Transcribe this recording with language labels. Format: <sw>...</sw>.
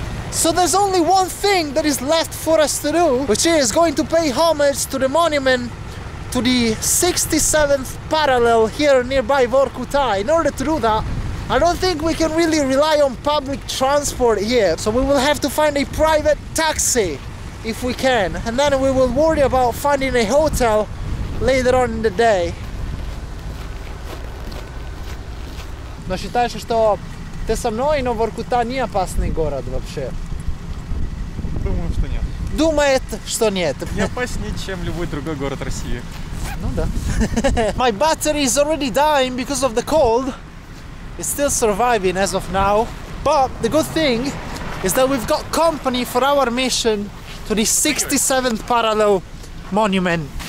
<en>So there's only one thing that is left for us to do, which is going to pay homage to the monument to the 67th parallel here nearby Vorkuta. In order to do that, I don't think we can really rely on public transport here, so we will have to find a private taxi if we can, and then we will worry about finding a hotel later on in the day.</en> <ru>Но считаешь, что ты со мной, но Воркута не опасный город вообще? Думаю, что нет. Думает, что нет. Не опаснее, чем любой другой город России. Ну да.</ru> <en>My battery is already dying because of the cold. It's still surviving as of now. But the good thing is that we've got company for our mission to the 67th parallel monument.</en>